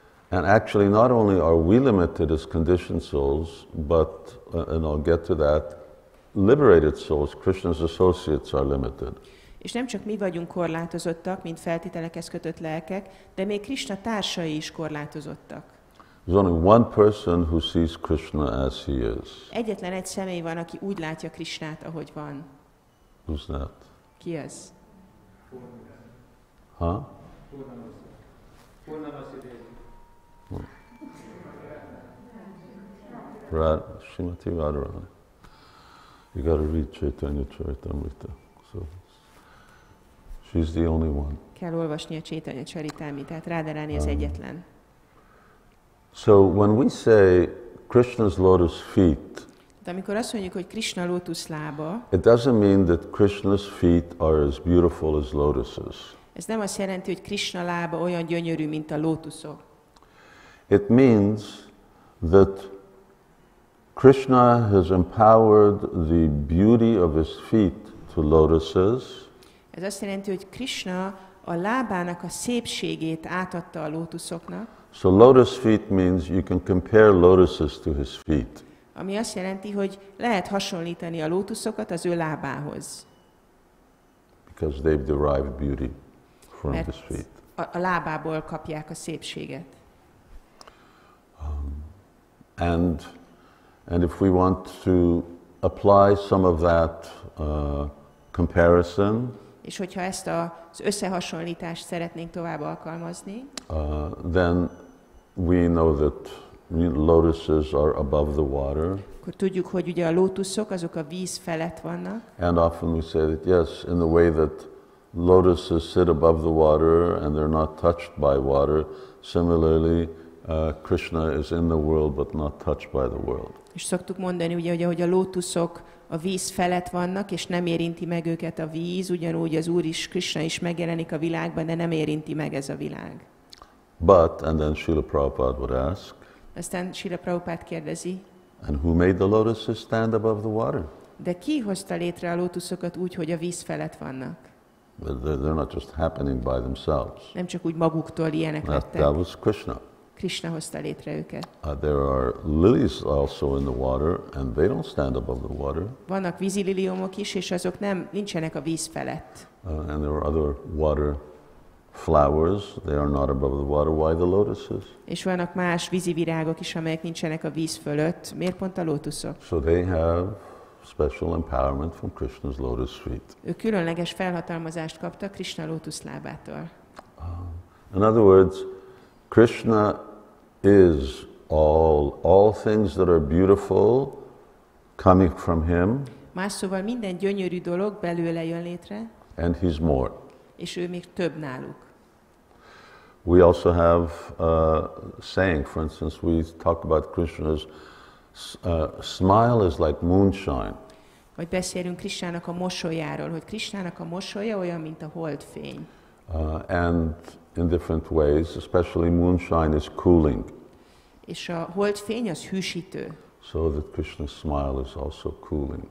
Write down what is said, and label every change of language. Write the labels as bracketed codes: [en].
[en] And actually not only are we limited as conditioned souls, but and I'll get to that, liberated souls, Krishna's associates are limited. [hu] És nem csak mi vagyunk korlátozottak, mint feltételekhez kötött lelkek, de még Krishna társai is korlátozottak. [en] There's only one person who sees Krishna as he is. [hu] Egyetlen egy személy van, aki úgy látja Krishnát, ahogy van. [en] Who's that? [hu] Ki ez? Ha? Huh? [en] Srimati Radharani. You got to read Chaitanya Charitamrita. So she's the only one. [hu] Kell olvasni a Chaitanya Charitamritát. Radharani az egyetlen. [en] So when we say Krishna's lotus feet, [hu] de amikor azt mondjuk, hogy Krishna lotus lába, [en] it doesn't mean that Krishna's feet are as beautiful as lotuses. [hu] Ez nem azt jelenti, hogy Krishna lába olyan gyönyörű, mint a lótuszok. [en] It means that Krishna has empowered the beauty of his feet to lotuses. [hu] Ez azt jelenti, hogy Krishna a lábának a szépségét átadta a lótuszoknak. [en] So lotus feet means you can compare lotuses to his feet. [hu] Ami azt jelenti, hogy lehet hasonlítani a lótuszokat az ő lábához. [en] Because they've derived beauty from [hu] mert [en] his feet. [hu] A lábából kapják a szépséget. [en] And if we want to apply some of that comparison, [hu] és hogyha ezt az összehasonlítást szeretnénk tovább alkalmazni, [en] then we know that lotuses are above the water. [hu] Akkor tudjuk, hogy ugye a lótuszok azok a víz felett vannak. [en] And often we say that yes, in the way that lotuses sit above the water and they're not touched by water, similarly Krishna is in the world but not touched by the world. [hu] És szoktuk mondani ugye, hogy a lótuszok a víz felett vannak és nem érinti meg őket a víz, ugyanúgy az Úr is Krishna is megjelenik a világban, de nem érinti meg ez a világ. [en] But and then Srila Prabhupada would ask. [hu] Aztán Srila Prabhupada kérdezi. [en] And who made the lotuses stand above the water? [hu] De ki hozta létre a lótuszokat úgy, hogy a víz felett vannak? [en] They're not just happening by themselves. [hu] Nem csak úgy maguktól ilyenek lettek. [en] That was Krishna. [hu] Krishna hozta létre őket. [en] There are lilies also in the water, and they don't stand above the water. [hu] Vannak vízi liliomok is, és azok nem nincsenek a víz felett. [en] And there are other water flowers, they are not above the water. Why the lotuses? [hu] És vannak más vízi virágok is, amelyek nincsenek a víz fölött. Miért pont a lótuszok? [en] So they have special empowerment from Krishna's lotus feet. [hu] Ők különleges felhatalmazást kaptak Krishna lótusz lábától. [en] In other words, Krishna is all things that are beautiful coming from him. [hu] Más szóval minden gyönyörű dolog belőle jön létre. [en] And he's more. [hu] És ő még több náluk. [en] We also have a saying, for instance, we talk about Krishna's smile is like moonshine. [hu] Vagy beszélünk Krishnának a mosolyáról, hogy Krishnának a mosolya olyan, mint a holdfény. [en] And in different ways, especially moonshine is cooling. [hu] És a holdfény az hűsítő. [en] So that Krishna's smile is also cooling.